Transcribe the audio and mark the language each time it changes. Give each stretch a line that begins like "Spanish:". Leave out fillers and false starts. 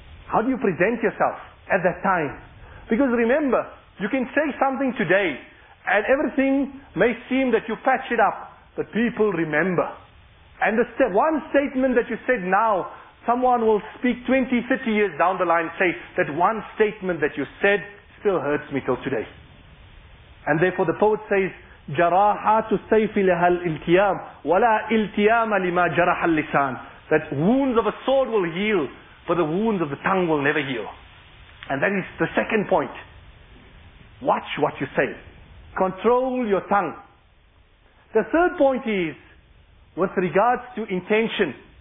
English: How do you present yourself at that time? Because remember, you can say something today, and everything may seem that you patch it up, but people remember. And one statement that you said now, someone will speak 20, 30 years down the line, say, that one statement that you said still hurts me till today. And therefore the poet says,
Arabic: جَرَاحَاتُ السَّيْفِ لَهَا الْإِلْتِيَامِ وَلَا إِلْتِيَامَ لِمَا جَرَحَ اللِّسَانِ.
English: That wounds of a sword will heal, but the wounds of the tongue will never heal. And that is the second point. Watch what you say. Control your tongue. The third point is, with regards to intention.